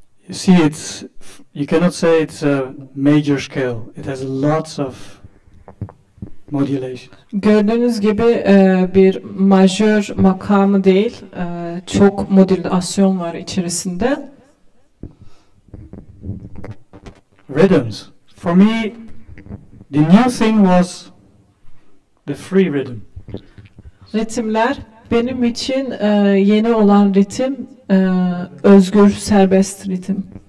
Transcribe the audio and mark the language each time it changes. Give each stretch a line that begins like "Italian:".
English: See, it's you cannot say it's a major scale. It has lots of modulation.
Turkish: Gördüğünüz gibi bir majör makamı değil, çok modülasyon var içerisinde.
English: Rhythms. For me, the new thing was the free rhythm.
Turkish: Ritimler. Benim için yeni olan ritim özgür, serbest ritim.